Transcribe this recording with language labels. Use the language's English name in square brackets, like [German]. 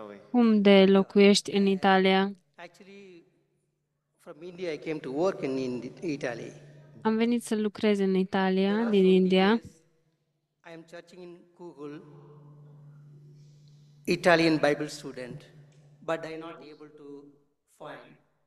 [Romanian] Cum de locuiești în Italia? [English] Actually, from India I came to work in Italy. [Romanian] Am venit să lucrez în Italia, din India. [English] I am searching in Google Italian Bible student, but I am not able to find.